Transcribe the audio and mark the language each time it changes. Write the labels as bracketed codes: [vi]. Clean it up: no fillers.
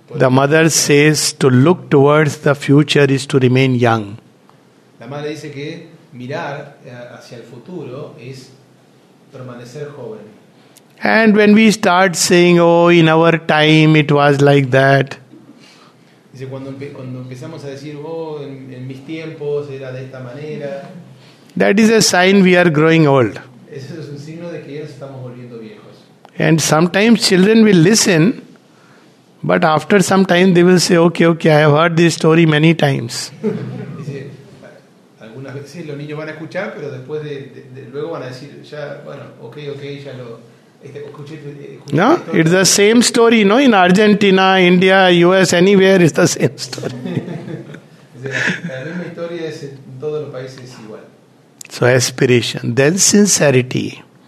[en] The mother says to look towards the future is to remain young. [es] La madre dice que mirar hacia el futuro es permanecer joven. [en] And when we start saying, oh, in our time it was like that. [es] Dice, cuando empezamos a decir, oh, en mis tiempos era de esta manera. [en] That is a sign we are growing old. [es] Ese es un signo de que ya estamos volviendo viejos. [en] And sometimes children will listen, but after some time they will say, okay, I have heard this story many times. [es] Dice, algunas veces los niños van a escuchar, pero después de luego van a decir, ya, bueno, okay, ya lo... [en] No, it's the same story, no? In Argentina, India, US, anywhere, it's the same story. So aspiration, then sincerity.